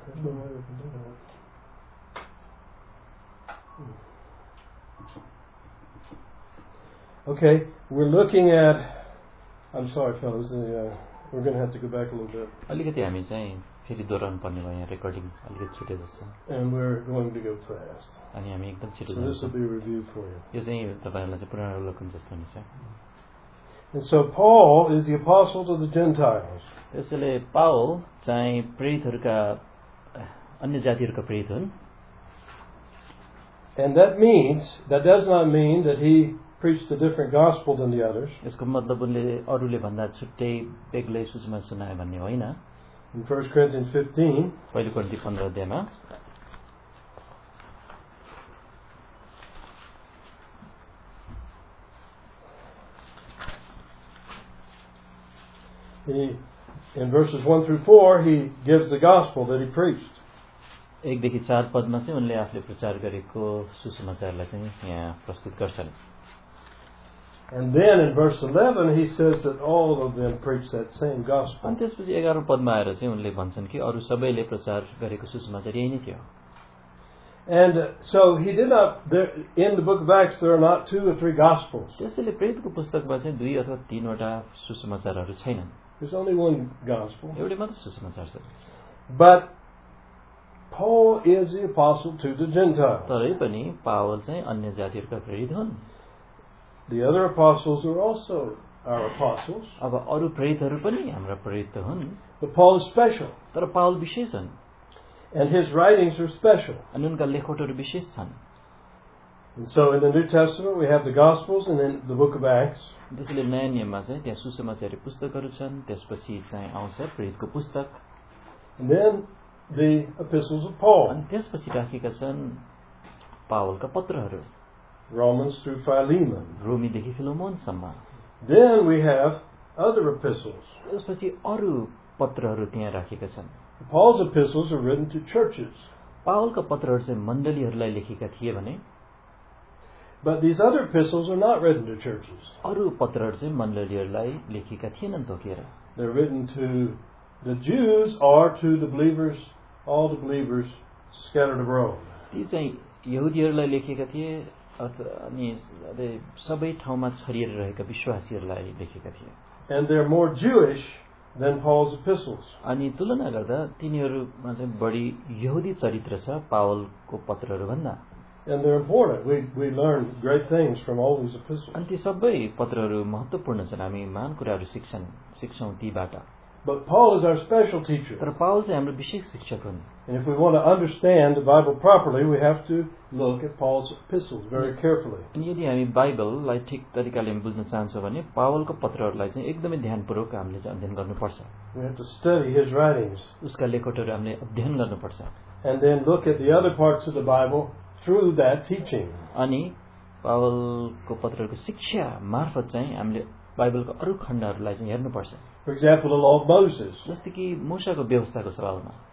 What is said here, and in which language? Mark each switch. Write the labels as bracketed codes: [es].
[en] There's no way we can do that. Okay, we're looking at, I'm sorry fellas, we're gonna have to go back a little bit. [ne] अलिकति हामी चाहिँ फेरि दोहोऱ्याउनु पर्ने भयो यहाँ recording अलिकति छुट्यो जस्तो [en] and we're going to go fast [ne] अनि हामी एकदम छिटो जान्छौँ [en] so this will be reviewed for you [ne] यो चाहिँ तपाईँहरूलाई चाहिँ पुनरावलोकन जस्तो हुनेछ [en] And so Paul is the apostle to the Gentiles. [ne] यसले पाउल चाहिँ प्रेरितहरूका अन्य जातिहरूका प्रेरित हुन्. [en] And that means that does not mean that he preached a different gospel than the others. [ne] यसको मतलब उनले अरूले भन्दा छुट्टै बेग्लै सुसमाचार सुनाए भन्ने होइन. [en] In 1 Corinthians 15, [ne] पहिलो कोरिन्थी 15 अध्यायमा [en] He, in verses 1 through 4, he gives the gospel that he preached. [ne] एकदेखि चार पदमा चाहिँ उनले आफूले प्रचार गरेको सुसमाचारलाई चाहिँ यहाँ प्रस्तुत गर्छन्. [en] And then in verse 11, he says that all of them preach that same gospel. [ne] अनि त्यसपछि 11 पदमा आएर चाहिँ उनले भन्छन् कि अरू सबैले प्रचार गरेको सुसमाचार यही नै थियो. [en] And so he did not, there, in the book of Acts, there are not two or three gospels. [ne] त्यसैले प्रेरितको पुस्तकमा चाहिँ दुई अथवा तीनवटा सुसमाचारहरू छैनन्. [en] There's only one gospel. [ne] एउटै मात्र सुसमाचार छ. [en] But Paul is the apostle to the Gentiles. [ne] तरै पनि पावल चाहिँ अन्य जातिहरूका प्रेरित हुन्. [en] The other apostles are also our apostles. [ne] अब अरू प्रेरितहरू पनि हाम्रा प्रेरित हुन्. [en] But Paul is special. [ne] तर पावल विशेष हुन्. [en] And his writings are special. [ne] अनि उनका लेखहरू विशेष छन्. [en] And so in the New Testament we have the Gospels and then the book of Acts. [ne] त्यसले नयाँ नियममा चाहिँ त्यहाँ सुसमाचार पुस्तकहरू छन् त्यसपछि चाहिँ आउँछ प्रेरितको पुस्तक. [en] And then the epistles of Paul. [ne] अनि त्यसपछि राखेका छन् पावलका पत्रहरू. [en] Romans through Philemon. [ne] रोमीदेखि फिलोमोनसम्म. [en] Then we have other epistles. [ne] त्यसपछि अरू पत्रहरू त्यहाँ राखेका छन्. [en] Paul's epistles are written to churches. [ne] पावलका पत्रहरू चाहिँ मण्डलीहरूलाई लेखेका थिए भने [en] But these other epistles are not written to churches. [ne] अरू पत्रहरू चाहिँ मण्डलीहरूलाई लेखेका थिएनन् तोकेर. [en] They're written to the Jews or to the believers, all the believers scattered abroad. [ne] ती चाहिँ यहुदीहरूलाई लेखेका थिए अनि सबै ठाउँमा छरिएर रहेका विश्वासीहरूलाई लेखेका थिए. [en] And they're more Jewish than Paul's epistles. [ne] अनि तुलना गर्दा तिनीहरूमा चाहिँ बढी यहुदी चरित्र छ पावलको पत्रहरू भन्दा. [en] And they're important. We learn great things from all these epistles. [ne] अनि ती सबै पत्रहरू महत्त्वपूर्ण छन् हामी महान कुराहरू सिक्छौँ तीबाट. [en] But Paul is our special teacher. [ne] तर पावल चाहिँ हाम्रो विशेष शिक्षक हुन्. [en] And if we want to understand the Bible properly, we have to look at Paul's epistles very carefully. [ne] यदि हामी बाइबललाई ठिक तरिकाले बुझ्न चाहन्छौँ भने पावलको पत्रहरूलाई चाहिँ एकदमै ध्यानपूर्वक हामीले अध्ययन गर्नुपर्छ. [en] We have to study his writings. [ne] उसका लेखहरू हामीले अध्ययन गर्नुपर्छ. [en] And then look at the other parts of the Bible through that teaching. [ne] अनि पावलको पत्रहरूको शिक्षा मार्फत चाहिँ हामीले बाइबलको अरू खण्डहरूलाई चाहिँ हेर्नुपर्छ. [en] For example, the law of Moses. [ne] जस्तै कि मूसाको व्यवस्थाको सवालमा.